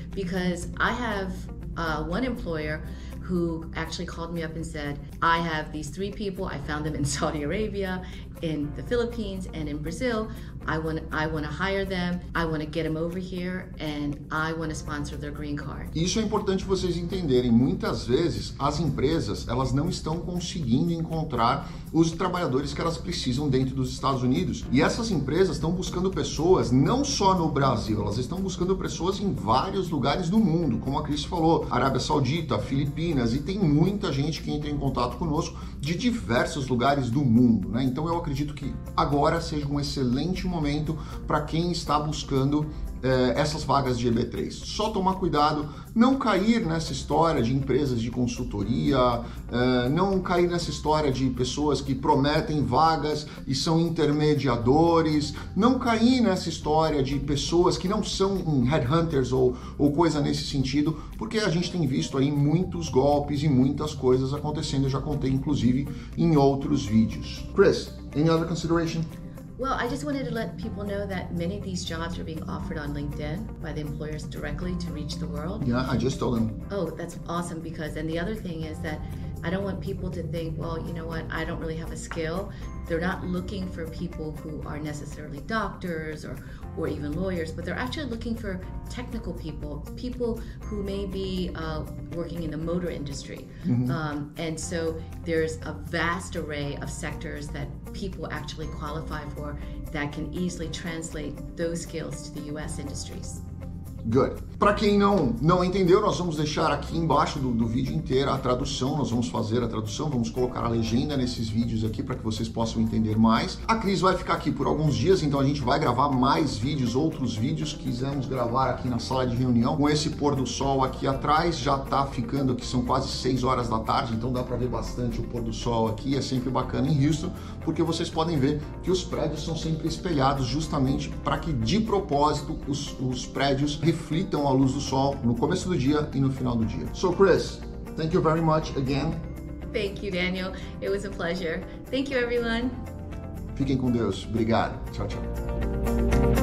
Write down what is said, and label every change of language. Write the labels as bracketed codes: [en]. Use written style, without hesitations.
[en] Because I have one employer who actually called me up and said, I have these three people. I found them in Saudi Arabia, in the Philippines, and in Brazil. I want to hire them. I want to get them over here, and I want to sponsor their green card. [pt] Isso é importante vocês entenderem. Muitas vezes, as empresas, elas não estão conseguindo encontrar os trabalhadores que elas precisam dentro dos Estados Unidos. E essas empresas estão buscando pessoas não só no Brasil, elas estão buscando pessoas em vários lugares do mundo, como a Cris falou, Arábia Saudita, Filipinas, e tem muita gente que entra em contato conosco de diversos lugares do mundo, né? Então eu acredito que agora seja um excelente momento para quem está buscando essas vagas de EB3. Só tomar cuidado, não cair nessa história de empresas de consultoria, não cair nessa história de pessoas que prometem vagas e são intermediadores, não cair nessa história de pessoas que não são headhunters ou coisa nesse sentido, porque a gente tem visto aí muitos golpes e muitas coisas acontecendo, eu já contei inclusive em outros vídeos. [en] Chris, any other consideration? Well, I just wanted to let people know that many of these jobs are being offered on LinkedIn by the employers directly to reach the world. Yeah, I just told them. Oh, that's awesome. Because, and the other thing is that I don't want people to think, well, you know what, I don't really have a skill. They're not looking for people who are necessarily doctors or even lawyers, but they're actually looking for technical people, people who may be working in the motor industry. Mm-hmm. And so there's a vast array of sectors that people actually qualify for that can easily translate those skills to the US industries. Good. [pt] Para quem não entendeu, nós vamos deixar aqui embaixo do vídeo inteiro a tradução, nós vamos fazer a tradução, vamos colocar a legenda nesses vídeos aqui para que vocês possam entender mais. A Cris vai ficar aqui por alguns dias, então a gente vai gravar mais vídeos, outros vídeos. Quisemos gravar aqui na sala de reunião com esse pôr do sol aqui atrás, já tá ficando aqui, são quase 6 horas da tarde, então dá para ver bastante o pôr do sol aqui, é sempre bacana em Houston, porque vocês podem ver que os prédios são sempre espelhados justamente para que de propósito os prédios reflitam a luz do sol no começo do dia e no final do dia. [en] So, Chris, thank you very much again. Thank you, Daniel. It was a pleasure. Thank you, everyone. [pt] Fiquem com Deus. Obrigado. Tchau, tchau.